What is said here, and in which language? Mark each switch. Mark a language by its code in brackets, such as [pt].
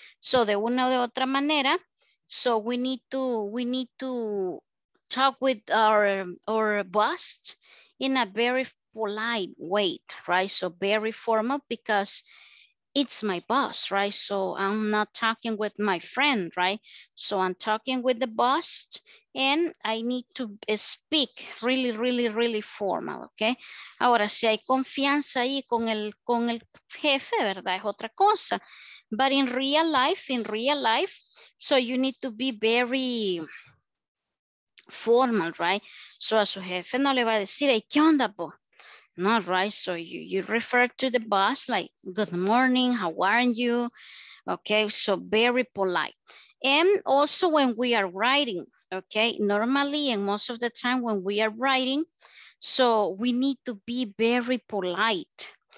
[en] So [es] de una u otra manera, [en] so we need to talk with our boss in a very polite way, right? So very formal, because it's my boss, right? So I'm not talking with my friend, right? So I'm talking with the boss and I need to speak really, really, really formal, okay? [es] Ahora, si hay confianza ahí con el jefe, ¿verdad? Es otra cosa. [en] But in real life, so you need to be very formal, right? [es] So a su jefe no le va a decir, hey, ¿qué onda, po? [en] No, right? So you refer to the boss like, good morning, how are you? Okay, so very polite. And also when we are writing, okay, normally and most of the time when we are writing, so we need to be very polite.